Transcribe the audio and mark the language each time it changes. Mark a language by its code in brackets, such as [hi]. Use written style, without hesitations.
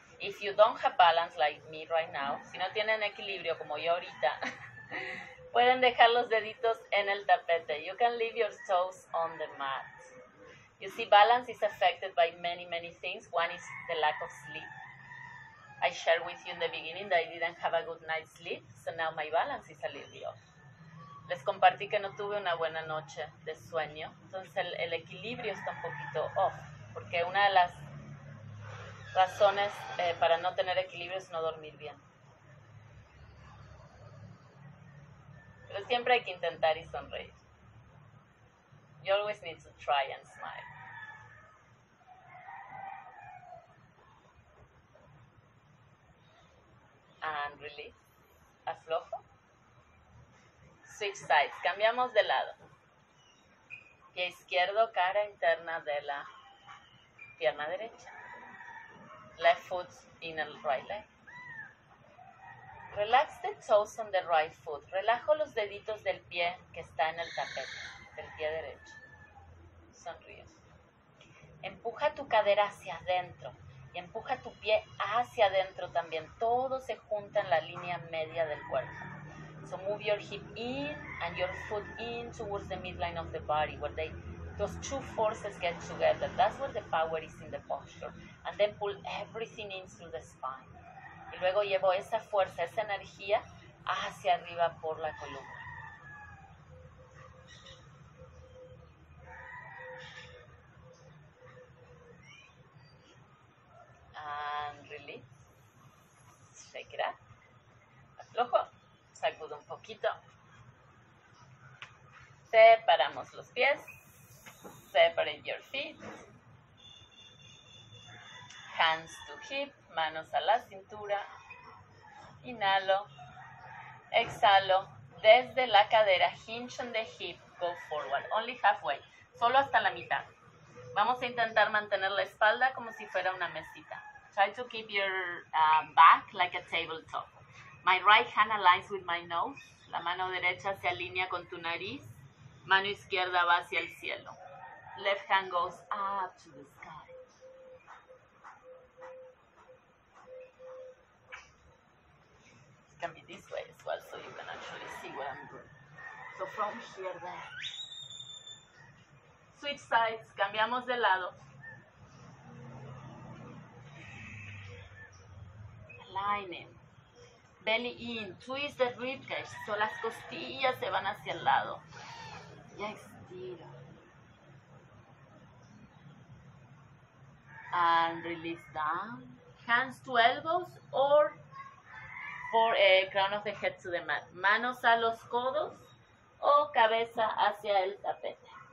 [en] If you don't have balance like me right now, [es] si no tienen equilibrio como yo ahorita, pueden dejar los deditos en el tapete. [en] You can leave your toes on the mat. You see, balance is affected by many, many things. One is the lack of sleep. I shared with you in the beginning that I didn't have a good night's sleep, so now my balance is a little off. [es] Les compartí que no tuve una buena noche de sueño, entonces el equilibrio está un poquito off, porque una de las razones para no tener equilibrio es no dormir bien. Pero siempre hay que intentar y sonreír. [en] You always need to try and smile. And release. [es] Aflojo. [en] Switch sides. [es] Cambiamos de lado. Pie izquierdo, cara interna de la pierna derecha. [en] Left foot in the right leg. Relax the toes on the right foot. [es] Relajo los deditos del pie que está en el tapete, del pie derecho. Sonríe. Empuja tu cadera hacia adentro. Y empuja tu pie hacia adentro también. Todo se junta en la línea media del cuerpo. [en] So move your hip in and your foot in towards the midline of the body where they, those two forces get together. That's where the power is in the posture. And then pull everything in through the spine. [es] Y luego llevo esa fuerza, esa energía hacia arriba por la columna. [en] And release, shake it up, [es] aflojo, sacudo un poquito, separamos los pies, [en] separate your feet, hands to hip, [es] manos a la cintura, inhalo, exhalo, desde la cadera, [en] hinge on the hip, go forward. Only halfway. [es] Solo hasta la mitad. Vamos a intentar mantener la espalda como si fuera una mesita. [en] Try to keep your back like a tabletop. My right hand aligns with my nose. [es] La mano derecha se alinea con tu nariz. Mano izquierda va hacia el cielo. [en] Left hand goes up to the sky. Can be this way as well, so you can actually see what I'm doing. So from here, there. Switch sides, [es] cambiamos de lado. [en] Aligning. Belly in, twist the ribcage, so [es] las costillas se van hacia el lado. Y estira. [en] And release down. Hands to elbows or for crown of the head to the mat. [es] Manos a los codos o cabeza hacia el tapete.